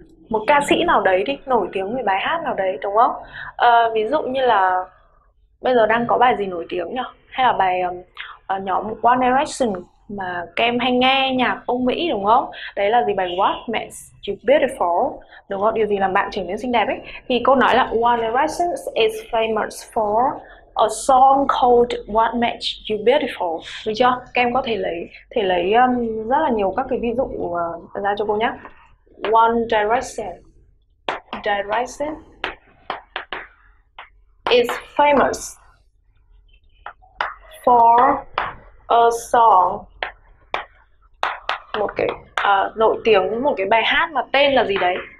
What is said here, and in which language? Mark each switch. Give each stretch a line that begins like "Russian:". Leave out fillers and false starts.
Vietnamese: Một ca sĩ nào đấy đi, nổi tiếng về bài hát nào đấy đúng không? Ví dụ như là bây giờ đang có bài gì nổi tiếng nhỉ? Hay là bài nhóm One Direction mà kem hay nghe nhạc Âu Mỹ đúng không? Đấy là gì? Bài What Makes You Beautiful đúng không? Điều gì làm bạn trở nên xinh đẹp ấy? Thì cô nói là
English: One Direction is famous for a song called What Makes You Beautiful.
Vietnamese: Được chưa? Các em có thể lấy rất là nhiều các cái ví dụ ra cho cô nhé.
English: One Direction is famous for a song,
Vietnamese: một cái nổi tiếng một cái bài hát mà tên là gì đấy?